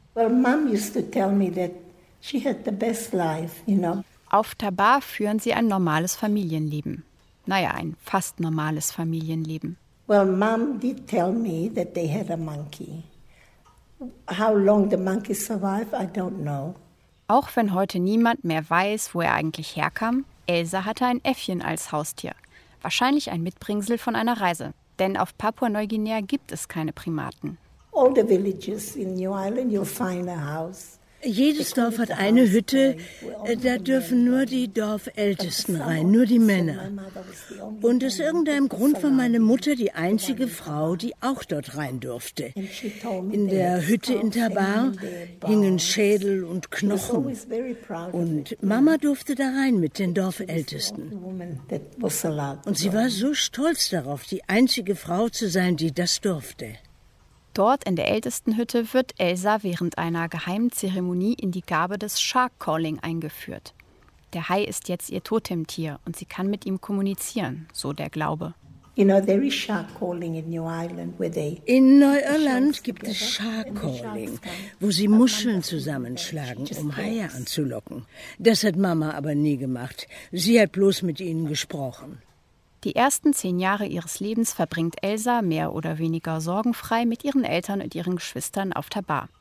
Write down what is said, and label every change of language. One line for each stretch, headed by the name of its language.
English: Well, Mom used to tell me that she had the best life, you know.
German: Auf Tabar führen sie ein normales Familienleben. Naja, ein fast normales Familienleben.
English: Well, Mom did tell me that they had a monkey. How long the monkey survived, I don't know.
German: Auch wenn heute niemand mehr weiß, wo er eigentlich herkam, Elsa hatte ein Äffchen als Haustier. Wahrscheinlich ein Mitbringsel von einer Reise. Denn auf Papua-Neuguinea gibt es keine Primaten.
English: All the villages in New Island, you'll find a house.
German: Jedes Dorf hat eine Hütte, da dürfen nur die Dorfältesten rein, nur die Männer. Und aus irgendeinem Grund war meine Mutter die einzige Frau, die auch dort rein durfte. In der Hütte in Tabar hingen Schädel und Knochen. Und Mama durfte da rein mit den Dorfältesten. Und sie war so stolz darauf, die einzige Frau zu sein, die das durfte. Dort in der ältesten Hütte wird Elsa während einer geheimen Zeremonie in die Gabe des Shark Calling eingeführt. Der Hai ist jetzt ihr Totemtier und sie kann mit ihm kommunizieren, so der Glaube.
English: You know, there is shark calling in New Ireland where they
German: in Neuirland gibt es shark calling, wo sie Muscheln zusammenschlagen, um Haie anzulocken. Das hat Mama aber nie gemacht. Sie hat bloß mit ihnen gesprochen. Die ersten 10 Jahre ihres Lebens verbringt Elsa mehr oder weniger sorgenfrei mit ihren Eltern und ihren Geschwistern auf Tabar.